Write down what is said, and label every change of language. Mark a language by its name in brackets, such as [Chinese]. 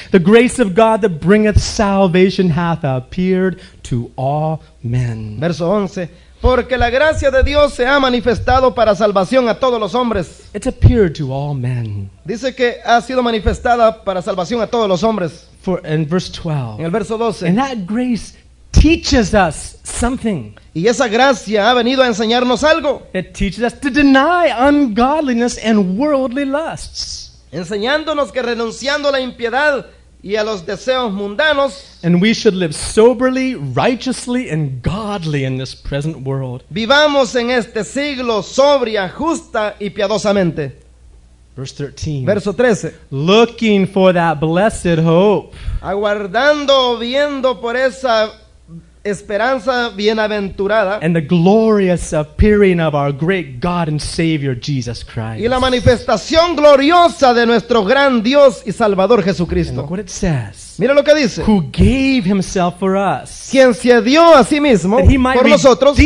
[English] The grace of God that bringeth salvation hath appeared to all men. [Spanish] Verso 11. Porque la gracia de Dios se ha manifestado para salvación a todos los hombres. [English] It's appeared to all men. [Spanish] Dice que ha sido manifestada para salvación a todos los hombres. [English] For in verse 12. [Spanish] En el verso 12. [English] And that grace teaches us something. [Spanish] Y esa gracia ha venido a enseñarnos algo. [English] It teaches us to deny ungodliness and worldly lusts. [Spanish] Enseñándonos que renunciando a la impiedad y a los deseos mundanos, [English] and we should live soberly, righteously, and godly in this present world. [Spanish] Vivamos en este siglo sobria, justa y piadosamente. [English] Verse 13. [Spanish] Verso 13. [English] Looking for that blessed hope. [Spanish] Aguardando, viendo por esa esperanza bienaventurada. [English] And the glorious appearing of our great God and Savior Jesus Christ. [Spanish] Y la manifestación gloriosa de nuestro gran Dios y Salvador Jesucristo. [English] And look what it says. [Spanish] Mira lo que dice. [English] Who gave himself for us. [Spanish] Quien se dio a sí mismo por nosotros.